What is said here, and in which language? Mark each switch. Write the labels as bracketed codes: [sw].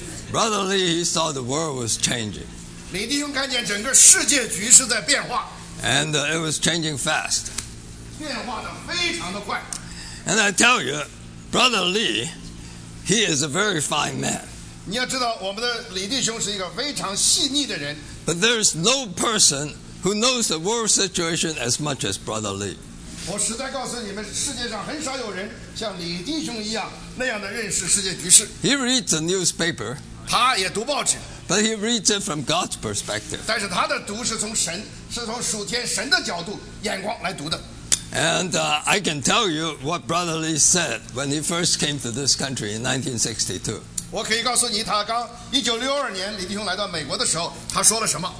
[en] Brother Lee, he saw the world was changing. [zh] 李弟兄看见整个世界局势在变化。 [en] And it was changing fast. [zh] 变化得非常的快。 [en] And I tell you, Brother Lee, he is a very fine man. [zh] 你要知道，我们的李弟兄是一个非常细腻的人。 [en] But there is no person who knows the world situation as much as Brother Lee. [zh] 我实在告诉你们，世界上很少有人像李弟兄一样那样的认识世界局势。 [en] He reads the newspaper. [zh] 他也读报纸。 [en] But he reads it from God's perspective. [zh] 但是他的读是从神，是从属天神的角度眼光来读的。 [en] And I can tell you what Brother Lee said when he first came to this country in 1962. [zh] 我可以告诉你，他刚1962年李弟兄来到美国的时候，他说了什么